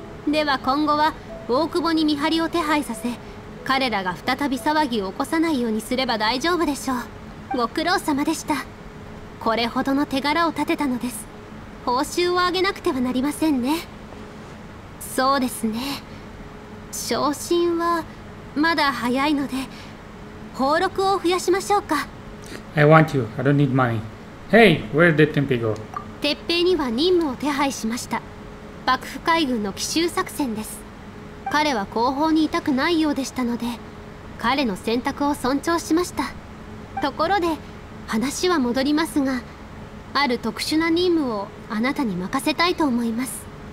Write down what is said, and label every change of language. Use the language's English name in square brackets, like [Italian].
[Japanese] では今後は大久保に見張りを手配させ、彼らが再び騒ぎを起こさないようにすれば大丈夫でしょう。ご苦労様でした。これほどの手柄を立てたのです。報酬をあげなくてはなりませんね。そうですね、昇進はまだ早いので、俸禄を増やしましょうか。 [English] I want you, I don't need money. Hey, where did Tempe go? [Japanese] てっぺいには任務を手配しました。幕府海軍の奇襲作戦です。彼は後方にいたくないようでしたので彼の選択を尊重しました。ところで話は戻りますが、ある特殊な任務をあなたに任せたいと思います。